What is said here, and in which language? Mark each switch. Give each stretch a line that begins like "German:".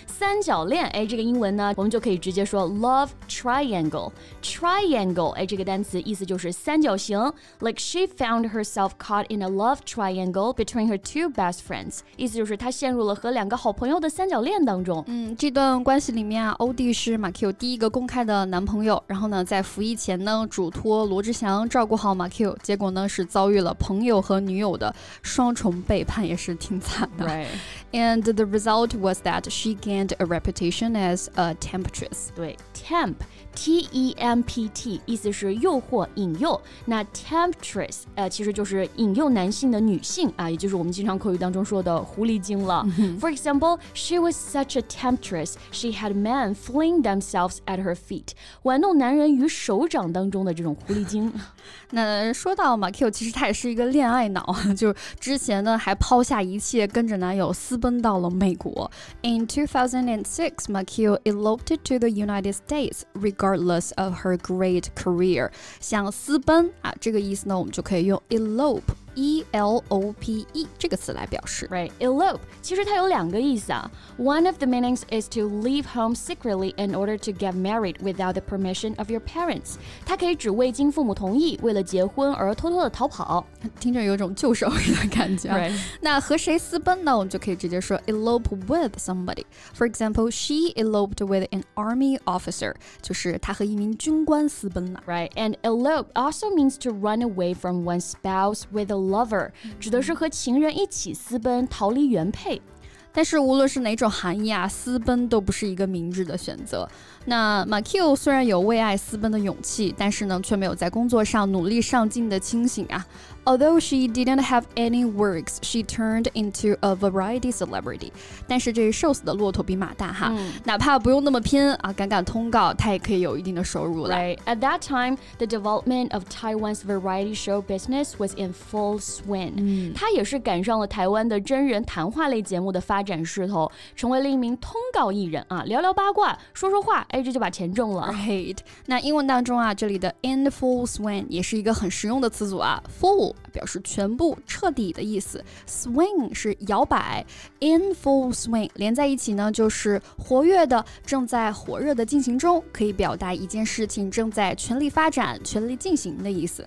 Chinese: 三角恋哎，这个英文呢我们就可以直接说 love triangle 哎，这个单词意思就是三角形
English: like she found herself caught in a love triangle between her two best friends
Chinese: 意思就是她陷入了和两个好朋友的三角恋当中嗯，这段关系里面啊欧弟是 Makiu 第一个公开的男朋友然后呢在服役前呢嘱托罗志祥照顾好 Makiu 结果呢是遭遇了朋友和女友的双重背叛也是挺惨的
English: Right. And the result was that she gained a reputation as a temptress
Chinese: 对 temp T-E-M-P-T 意思是诱惑引诱那 temptress、其实就是引诱男性的女性、啊、也就是我们经常口语当中说的狐狸精了、 mm-hmm.
English: For example she was such a temptress she had men fling themselves at her feet
Chinese: 玩弄男人于手掌当中的这种狐狸精那说到 Makiu 其实她也是一个恋爱脑就之前呢还抛下一切跟着男友私奔到了美国
English: In 2006 Makiu eloped to the United States regardless of her great career
Chinese: 想私奔、啊、这个意思呢我们就可以用 elope E-L-O-P-E 这个词来表示。 Right, elope 其实它有两个意思啊。
English: One of the meanings is to leave home secretly in order to get married without the permission of your parents.
Chinese: 它可以指未经父母同意为了结婚而偷偷的逃跑，听着有种旧社会的感觉、啊、
English: Right.
Chinese: 那和谁私奔呢，我们就可以直接说
English: elope with somebody. For example, she eloped with an army officer.
Chinese: 就是她和一名军官私奔了。
English: Right, and elope also means to run away from one's spouse with a lover,
Chinese: 指的是和情人一起私奔，逃离原配。但是无论是哪种含义啊，私奔都不是一个明智的选择。那 Makio 虽然有为爱私奔的勇气，但是呢，却没有在工作上努力上进的清醒啊。
English: Although she didn't have any works, she turned into a variety celebrity.
Chinese: 但是这瘦死的骆驼比马大哈、嗯、哪怕不用那么拼啊，敢敢通告她也可以有一定的收入了。
English: Right. At that time, the development of Taiwan's variety show business was in full swing.
Chinese: 她、嗯、也是赶上了台湾的真人谈话类节目的发展势头，成为了一名通告艺人啊，聊聊八卦，说说话，哎，这就把钱挣了。 Right. 那英文当中啊，这里的 in full swing 也是一个很实用的词组啊。 Full表示全部彻底的意思， swing 是摇摆， in full swing 连在一起呢就是活跃的，正在火热的进行中，可以表达一件事情正在全力发展，全力进行的意思。